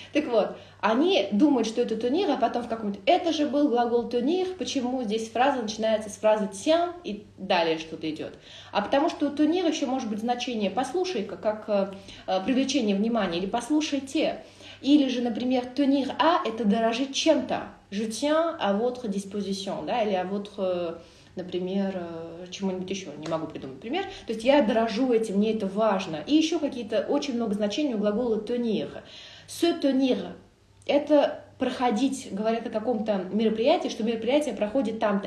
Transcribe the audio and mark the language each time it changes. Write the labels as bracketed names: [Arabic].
[Russian] Так вот, они думают, что это «tenir», а потом в каком-то «это же был глагол «tenir», почему здесь фраза начинается с фразы «tien» и далее что-то идет. А потому что у «tenir» еще может быть значение «послушай-ка», как привлечение внимания, или «послушайте». Или же, например, «tenir à» — это «дорожить чем-то». [French] «Je tiens à votre disposition», [Russian] да, или [French] «à votre...» [Russian] Например, чему-нибудь еще, не могу придумать пример. То есть я дорожу этим, мне это важно. И еще какие-то очень много значений у глагола tenir. Se tenir – это проходить, говорят о каком-то мероприятии, что мероприятие проходит там-то.